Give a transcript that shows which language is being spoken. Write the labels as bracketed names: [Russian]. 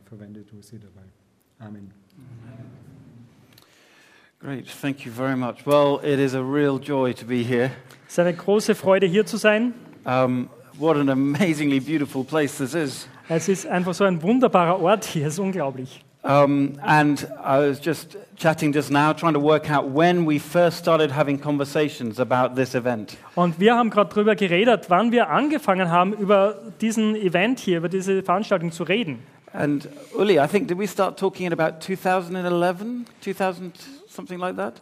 [German] Verwende du sie dabei. Amen. [English] Great, thank you very much. Well, it is a real joy to be here. [German] Es ist eine große Freude, hier zu sein. [English] What an amazingly beautiful place this is. [German] Es ist einfach so ein wunderbarer Ort hier, es ist unglaublich. [English] And I was just chatting just now, trying to work out when we first started having conversations about this event. [German] Und wir haben gerade drüber geredet, wann wir angefangen haben, über diesen Event hier, über diese Veranstaltung zu reden. [English] And Uli, I think, did we start talking in about 2011, 2000, something like that?